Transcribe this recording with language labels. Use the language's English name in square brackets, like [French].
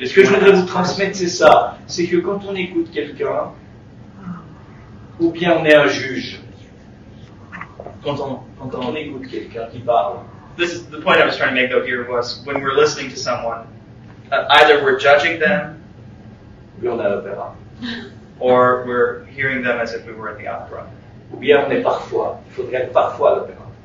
[French] Ce que je voudrais vous transmettre, c'est ça. C'est que quand on écoute quelqu'un, ou bien on est un juge, quand on écoute quelqu'un qui parle. [English] This is the point I was trying to make though here was when we're listening to someone, either we're judging them, [French] ou on est à l'opéra. [English] or we're hearing them as if we were at the opera. [French] Ou bien on est parfois, il faudrait être parfois à l'opéra.